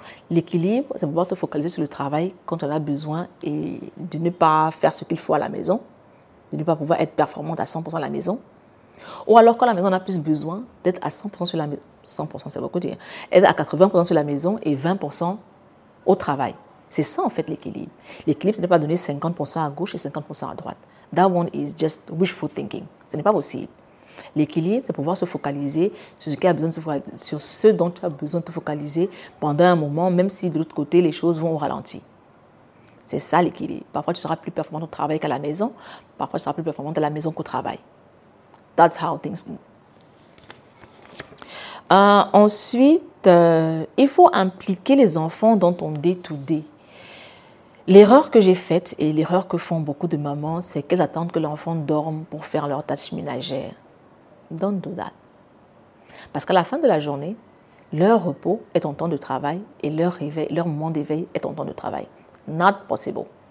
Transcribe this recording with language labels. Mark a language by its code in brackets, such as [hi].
[fr] L'équilibre, c'est pouvoir te focaliser sur le travail quand tu en as besoin et de ne pas faire ce qu'il faut à la maison, de ne pas pouvoir être performante à 100% à la maison. Ou alors, quand la maison en a plus besoin, d'être à 100% sur la maison. 100%, c'est beaucoup dire. Être à 80% sur la maison et 20% au travail. C'est ça, en fait, l'équilibre. L'équilibre, ce n'est pas donner 50% à gauche et 50% à droite. [en] That one is just wishful thinking. [fr] Ce n'est pas possible. L'équilibre, c'est pouvoir se focaliser sur ce dont tu as besoin de te focaliser pendant un moment, même si de l'autre côté, les choses vont au ralenti. C'est ça, l'équilibre. Parfois, tu seras plus performante au travail qu'à la maison. Parfois, tu seras plus performante à la maison qu'au travail. [en] That's how things move. [fr] Ensuite, fait, il faut impliquer les enfants dans ton [en] day-to-day. [fr] L'erreur que j'ai faite et l'erreur que font beaucoup de mamans, c'est qu'elles attendent que l'enfant dorme pour faire leur tâche ménagère. [en] Don't do that. [fr] Parce qu'à la fin de la journée, leur repos est ton temps de travail et leur réveil, leur moment d'éveil est ton temps de travail. [en] Not possible.